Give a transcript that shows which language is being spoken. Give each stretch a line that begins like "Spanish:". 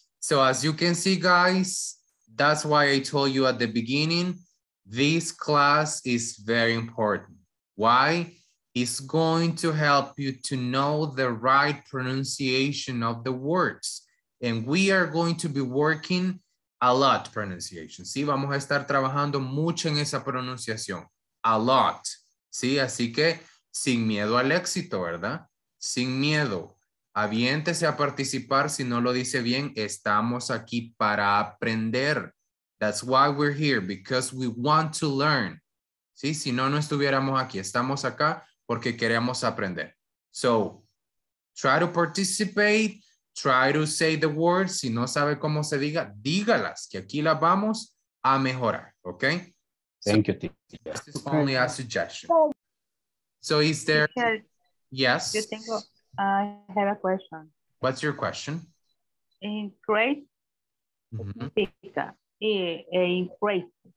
English: So as you can see, guys, that's why I told you at the beginning, this class is very important. Why? It's going to help you to know the right pronunciation of the words. And we are going to be working a lot pronunciation.
Spanish: ¿Sí? Vamos a estar trabajando mucho en esa pronunciación.
English: A lot.
Spanish: ¿Sí? Así que sin miedo al éxito, ¿verdad? Sin miedo. Aviéntese a participar, si no lo dice bien, estamos aquí para aprender.
English: That's why we're here, because we want to learn. ¿Sí?
Spanish: Si no, no estuviéramos aquí. Estamos acá porque queremos aprender.
English: So, try to participate, try to say the words.
Spanish: Si no sabe cómo se diga, dígalas, que aquí las vamos a mejorar. ¿Ok?
English: Thank you, teacher. This is only a suggestion. So is there, teacher, yes?
Spanish: Yo tengo,
English: I have a question. What's your question? Increase. Mm-hmm. Increase.